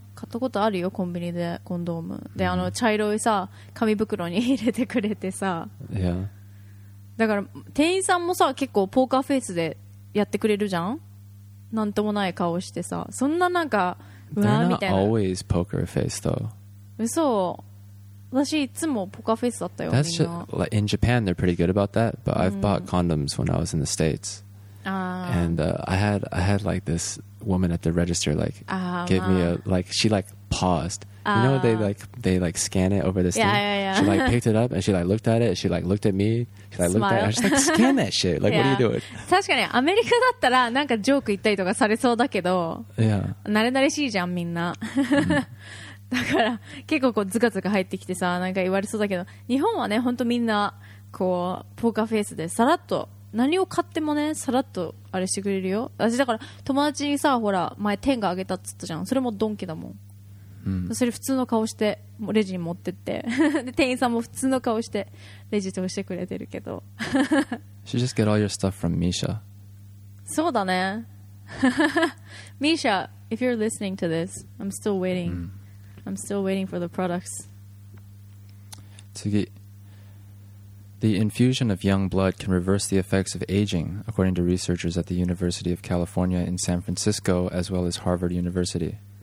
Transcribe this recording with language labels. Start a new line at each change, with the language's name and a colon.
Japanese: 買ったことあるよ、コンビニでコンドーム。で、あの茶色いさ、紙袋に入れてくれてさ。
English: Yeah.
Japanese: だから店員さんもさ、結構ポーカーフェイスでやってくれるじゃん。なんともない顔してさ、そんななんかうわーみたいな。
English: They're not always poker face though.
Japanese: 嘘、私いつもポーカーフェイスだったよ。
English: That's just like in Japan, they're pretty good about that. But I've bought condoms when I was in the States. And I had like this woman at the register like gave me a like she like paused. You know they like scan it over this thing. Yeah. She like picked it up and she like looked at it. She like looked at me. She like looked at it. I was just like scan that shit. Like what are you doing?
Japanese: 確かにアメリカだったらなんかジョーク言ったりとかされそうだけど、
English: yeah.
Japanese: 慣れ慣れしいじゃんみんな。だから結構こうズカズカ入ってきてさ、なんか言われそうだけど、日本はね本当みんなこうポーカーフェイスでさらっと何を買ってもねさらっとあれしてくれるよ。私だから友達にさほら前テンガあげたっつったじゃん、それもドンキだもん、うん、それ普通の顔してレジに持ってってで店員さんも普通の顔してレジ通してくれてるけど
English: She just get all your stuff from Misha.
Japanese: そうだね
English: Misha, if you're listening to this, I'm still waiting、うん、I'm still waiting for the products. 次、The infusion of young blood can reverse the effects of aging, according to researchers at the University of California in San Francisco, as well as Harvard University.